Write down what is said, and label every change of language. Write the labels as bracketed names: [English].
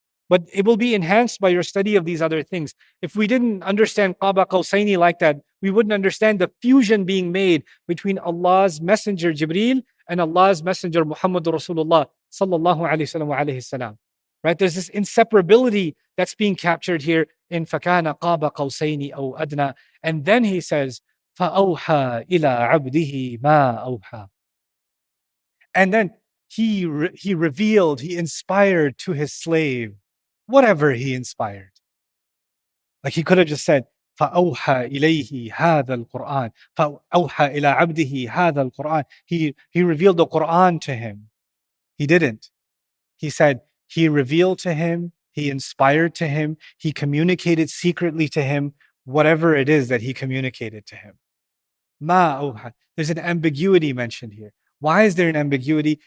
[English] But it will be enhanced by your study of these other things. If we didn't understand Qaba Qawsaini like that, we wouldn't understand the fusion being made between Allah's messenger Jibreel and Allah's messenger Muhammad Rasulullah sallallahu alayhi wasallam wa alayhi salam. Right? There's this inseparability that's being captured here in Fakana Qaba Qawsaini aw Adna. And then he says, [Arabic] فَأَوْحَى إِلَىٰ عَبْدِهِ مَا أَوْحَى. [English] And then he revealed, he inspired to his slave whatever he inspired. Like he could have just said, [Arabic] فَأَوْحَى إِلَيْهِ هَذَا الْقُرْآنِ فَأَوْحَى إِلَىٰ عَبْدِهِ هَذَا الْقُرْآنِ. [English] He revealed the Qur'an to him. He didn't. He said, he revealed to him, he inspired to him, he communicated secretly to him whatever it is that he communicated to him. [Arabic] مَا أَوْحَى. [English] There's an ambiguity mentioned here. Why is there an ambiguity?